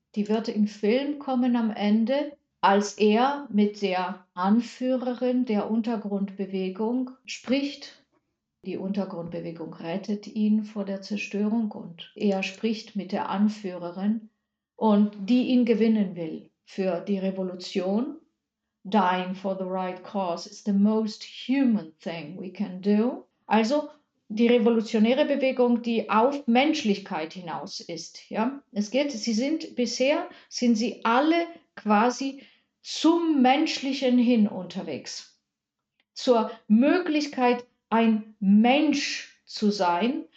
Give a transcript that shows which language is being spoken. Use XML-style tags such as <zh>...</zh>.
<de>Die wird im Film kommen am Ende, als er mit der Anführerin der Untergrundbewegung spricht. Die Untergrundbewegung rettet ihn vor der Zerstörung und er spricht mit der Anführerin und die ihn gewinnen will für die Revolution.</de> <en>Dying for the right cause is the most human thing we can do.</en> <de>Also die revolutionäre Bewegung, die auf Menschlichkeit hinaus ist. Ja? Es geht, sind sie alle quasi zum Menschlichen hin unterwegs. Zur Möglichkeit, ein Mensch zu sein.</de>